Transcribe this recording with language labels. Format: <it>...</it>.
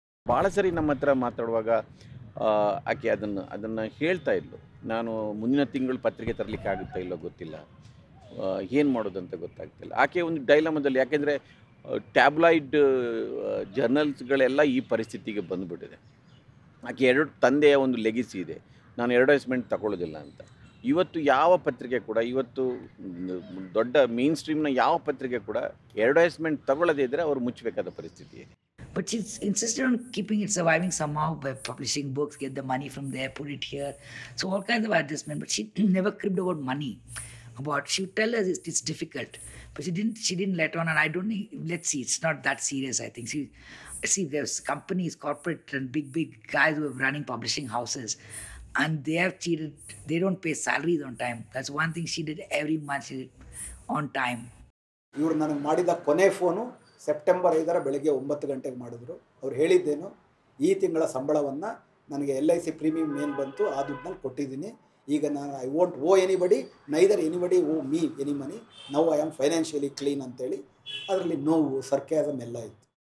<kn>ಭಾಳ ಸರಿ ನಮ್ಮ ಹತ್ರ ಮಾತಾಡುವಾಗ ಆಕೆ ಅದನ್ನು ಹೇಳ್ತಾ ಇದ್ಲು ನಾನು ಮುಂದಿನ ತಿಂಗಳು ಪತ್ರಿಕೆ ತರಲಿಕ್ಕೆ ಆಗುತ್ತಾ ಇಲ್ಲೋ ಗೊತ್ತಿಲ್ಲ ಏನು ಮಾಡೋದಂತ ಗೊತ್ತಾಗ್ತಿಲ್ಲ ಆಕೆ ಒಂದು ಡೈಲಮದಲ್ಲಿ ಯಾಕೆಂದರೆ ಟ್ಯಾಬ್ಲಾಯ್ಡ್ ಜರ್ನಲ್ಸ್ಗಳೆಲ್ಲ ಈ ಪರಿಸ್ಥಿತಿಗೆ ಬಂದುಬಿಟ್ಟಿದೆ ಆಕೆ ಎರಡು ತಂದೆಯ ಒಂದು ಲೆಗಸಿ ಇದೆ ನಾನು ಅಡ್ವರ್ಟೈಸ್ಮೆಂಟ್ ತಗೊಳ್ಳೋದಿಲ್ಲ ಅಂತ ಇವತ್ತು ಯಾವ ಪತ್ರಿಕೆ ಕೂಡ ಇವತ್ತು ದೊಡ್ಡ ಮೇನ್ ಸ್ಟ್ರೀಮ್ನ ಯಾವ ಪತ್ರಿಕೆ ಕೂಡ ಅಡ್ವರ್ಟೈಸ್ಮೆಂಟ್ ತಗೊಳ್ಳದೇ ಇದ್ದರೆ ಅವರು ಮುಚ್ಚಬೇಕಾದ ಪರಿಸ್ಥಿತಿ ಇದೆ</kn> <en>But she's insisted on keeping it surviving somehow by publishing books, get the money from there, put it here. So all kinds of adjustment. But she never cribbed about money. About she would tell us it's difficult. But she didn't let on. And I don't know, let's see, it's not that serious, I think. See, there's companies, corporate and big guys who are running publishing houses. And they have cheated. They don't pay salaries on time. That's one thing she did every month. She did on time. You were not made the kone phone.</en> <kn>September 5ರ ಬೆಳಗ್ಗೆ 9 ಗಂಟೆಗೆ ಮಾಡಿದ್ರು ಅವ್ರು ಹೇಳಿದ್ದೇನು ಈ ತಿಂಗಳ ಸಂಬಳವನ್ನು ನನಗೆ L I C premium ಏನು ಬಂತು ಆ ದುಡ್ಡಲ್ಲಿ ಕೊಟ್ಟಿದ್ದೀನಿ ಈಗ ನಾನು</kn> <en>I want owe anybody neither anybody owe me any money now I am financially clean</en> <kn>ಅಂತೇಳಿ ಅದರಲ್ಲಿ ನೋವು ಸರ್ಕ್ಯಾಸಮ್ ಎಲ್ಲ ಇತ್ತು</kn>